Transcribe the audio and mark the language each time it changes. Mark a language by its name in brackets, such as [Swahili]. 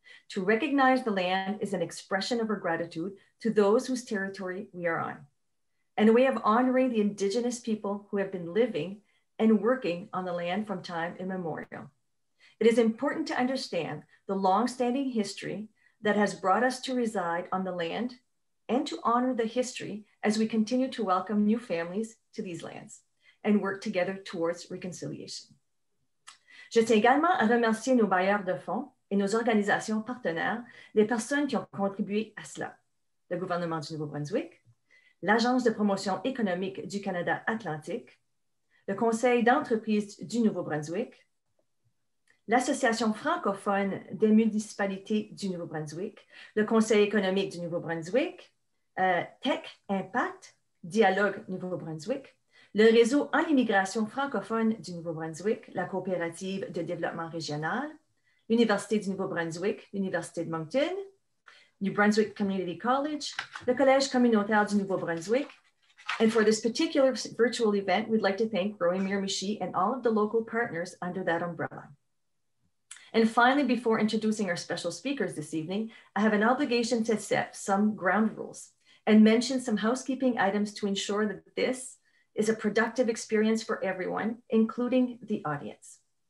[English] To recognize the land is an expression of our gratitude to those whose territory we are on, and a way of honoring the Indigenous people who have been living and working on the land from time immemorial. It is important to understand the long-standing history that has brought us to reside on the land and to honor the history as we continue to welcome new families to these lands and work together towards reconciliation. [French] Je tiens également à remercier nos bailleurs de fonds et nos organisations partenaires, les personnes qui ont contribué à cela. Le gouvernement du Nouveau-Brunswick, l'Agence de promotion économique du Canada Atlantique, le Conseil d'entreprise du Nouveau-Brunswick, l'Association francophone des municipalités du Nouveau-Brunswick, le Conseil économique du Nouveau-Brunswick, Tech Impact, Dialogue Nouveau-Brunswick, le réseau en immigration francophone du Nouveau-Brunswick, la coopérative de développement régional, l'Université du Nouveau-Brunswick, l'Université de Moncton, New Brunswick Community College, le Collège communautaire du Nouveau-Brunswick. [English] And for this particular virtual event, we'd like to thank Growing Miramichi and all of the local partners under that umbrella. And finally, before introducing our special speakers this evening, I have an obligation to set some ground rules and mention some housekeeping items to ensure that this is a productive experience for everyone, including the audience.